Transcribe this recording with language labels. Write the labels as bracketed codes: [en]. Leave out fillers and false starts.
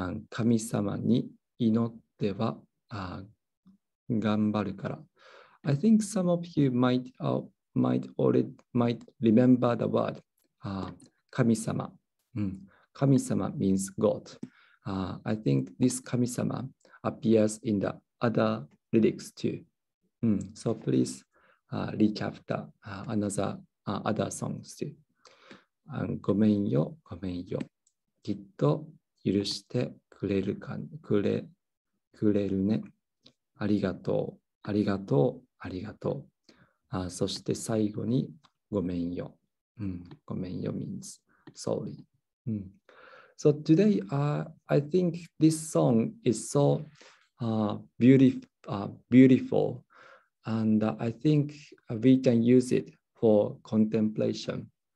[ja] 神様に祈っては、頑張るから。 [en] I think some of you might remember the word 神様。神様 means God. I think this 神様 appears in the other lyrics too.、so please recap the other songs too.、 [ja] ごめんよ、ごめんよ。きっと許してくれるか、くれるね。ありがとう、ありがとう、ありがとう。そして最後にごめんよ。 [en] ごめんよ means sorry.、So today, I think this song is so beautiful. And I think we can use it for contemplation.